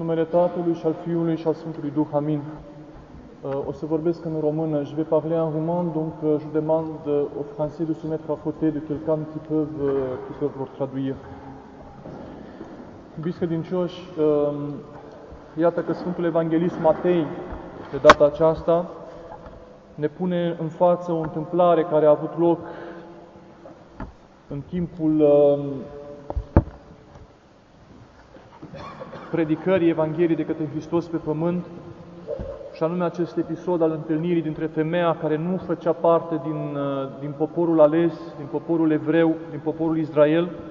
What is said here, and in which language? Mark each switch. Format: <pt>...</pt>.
<ro>Tatălui și al Fiului și al Sfântului Duh. Amin. O să vorbesc în română.</ro> <fr>Je vais parler en roumain, donc je demande au français de se mettre à côté de quelqu'un qui peut vous traduire.</fr> <ro>Biscădincioși, iată că Sfântul Evanghelist Matei, de data aceasta, ne pune în față o întâmplare care a avut loc în timpul predicării Evangheliei de către Hristos pe pământ, și anume acest episod al întâlnirii dintre femeia care nu făcea parte din poporul ales, din poporul evreu, din poporul Israel.</ro>